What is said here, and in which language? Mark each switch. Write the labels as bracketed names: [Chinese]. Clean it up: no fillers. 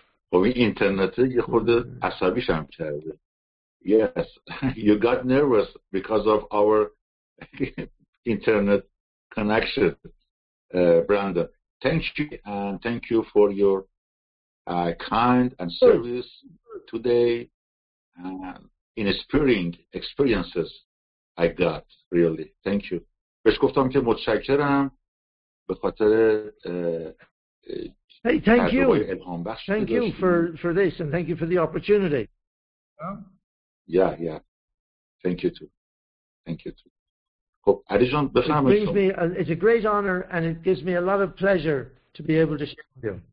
[Persian] خب این اینترنته یه خورده عصبیش هم کرده. [English] Yes, you got nervous because of our internet connection, Brandon. Thank you, and thank you for your kind and service today and inspiring experiences I got, really. Thank you. [Persian] بهش گفتم که متشکرم به خاطر [English] Hey, thank you. Thank you for this and thank you for the opportunity. Yeah, yeah. Thank you too. Thank you too. [Persian] خب علی جان بفرمایید. [English] It's a great honor and it gives me a lot of pleasure to be able to share with you.